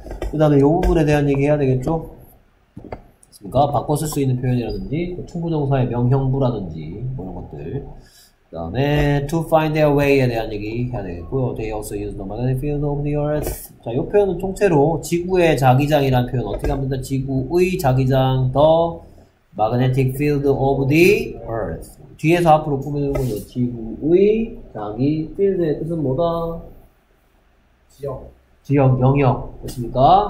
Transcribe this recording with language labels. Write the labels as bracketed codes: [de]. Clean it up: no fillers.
[ko] 그 다음에 요 부분에 대한 얘기 해야 되겠죠? 됐습니까? 바꿔 쓸 수 있는 표현이라든지 투부정사의 명형부라든지 그런 것들. 그 다음에 [en] to find their way [ko] 에 대한 얘기 해야 되겠고요. [en] They also use the magnetic field of the earth. [ko] 자, 요 표현은 통째로 지구의 자기장이라는 표현 어떻게 합니다? 지구의 자기장 [en] the magnetic field of the earth. [ko] 뒤에서 앞으로 꾸며주는 거죠. 지구의 자기 필드의 뜻은 뭐다? 지역. 지역, 영역. 됐습니까?